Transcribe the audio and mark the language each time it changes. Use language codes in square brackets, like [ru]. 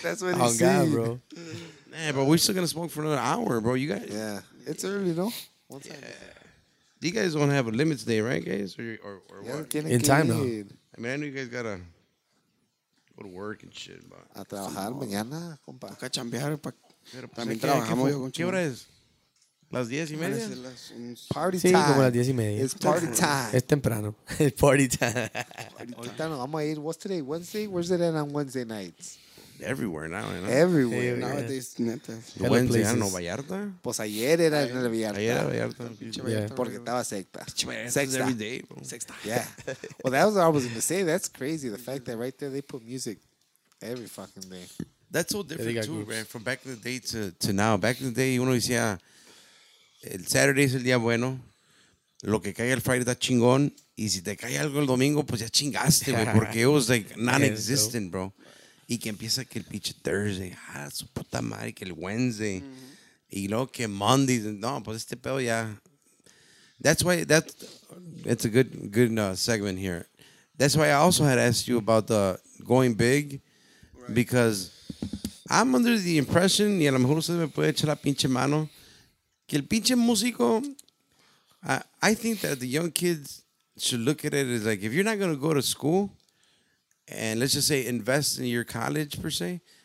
[en] That's what he's saying. Oh, God, bro. Nah, but we're still going to smoke for another hour, bro. You guys... Yeah. It's early, though. One time. You guys don't have a limit today, right, guys? Or yeah, what? In time, though. I mean, I know you guys got to go to work and shit, but... [es] A trabajar mañana, compa. Toca chambear. También trabajamos yo con chico. ¿Qué hora es? ¿Las 10 y media? [en] Party [es] time. Sí, como las 10 y media. [en] It's party time. [es] Es temprano. Es [en] party time. [es] Ahorita nos vamos a ir. [en] What's today? Wednesday? Where's it at on Wednesday nights? Everywhere now, you know? Everywhere. Hey, nowadays, neta. Yeah. Wednesday, ¿en Vallarta? [es] Pues ayer era en el Vallarta. Ayer era Vallarta. Porque estaba secta. [en] Sexta. Every day, bro. [es] Sexta. Yeah. [en] Well, that was what I was going to say. That's crazy. The fact that right there, they put music every fucking day. That's so different, too, groups, man. From back in the day to now. Back in the day, [es] uno decía, el Saturday es el día bueno. Lo que cae el Friday está chingón. Y si te cae algo el domingo, pues ya chingaste, güey. Porque [en] it was like non-existent, bro. [es] Y que empieza que el pinche Thursday, ah, su puta madre, que el Wednesday, mm-hmm. Y luego que Monday, no, pues este pedo ya. [en] That's why, that's a good segment here. That's why I also had asked you about the going big, because I'm under the impression, [es] y a lo mejor usted me puede echar la pinche mano, que el pinche músico, [en] I think that the young kids should look at it as like, if you're not going to go to school, and let's just say invest in your college, per se.